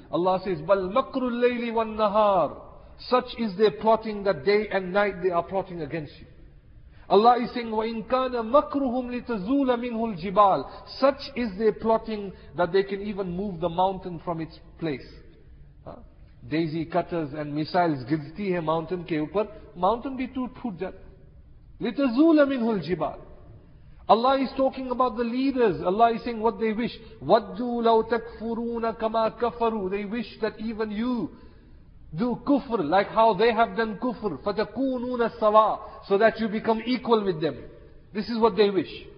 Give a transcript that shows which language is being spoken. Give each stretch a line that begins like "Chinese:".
English: Allah says,
Arabic: بَلْ مَكْرُ اللَّيْلِ وَالنَّهَارِ
English: Such is their plotting that day and night they are plotting against you. Allah is saying,
Arabic: وَإِن كَانَ مَكْرُهُمْ لِتَزُولَ مِنْهُ الْجِبَالِ
English: Such is their plotting that they can even move the mountain from its place. Daisy cutters and missiles
Urdu: گرتی ہے mountain کے اوپر، mountain بھی ٹوٹ پھوٹ جات.
Arabic: لِتَزُولَ مِنْهُ الْجِبَالِ
English: Allah is talking about the leaders. Allah is saying what they wish.
Arabic: وَدُّوا لَوْ تَكْفُرُونَ كَمَا كَفَرُوا
English: They wish that even you do kufr, like how they have done kufr.
Arabic: فَتَكُونُونَ sawa,
English: So that you become equal with them. This is what they wish.